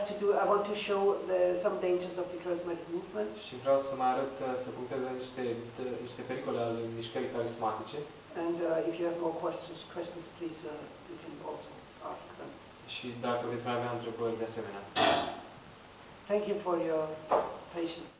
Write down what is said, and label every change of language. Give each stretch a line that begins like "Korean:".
English: And I want to show some dangers of the charismatic movement.
Romanian: Și vreau să mai arăt să punctez niște pericole ale mișcării carismatice.
English: And if you have more questions please you can also ask them.
Romanian: Și dacă veți mai avea întrebări de asemenea.
English: Thank you for your patience.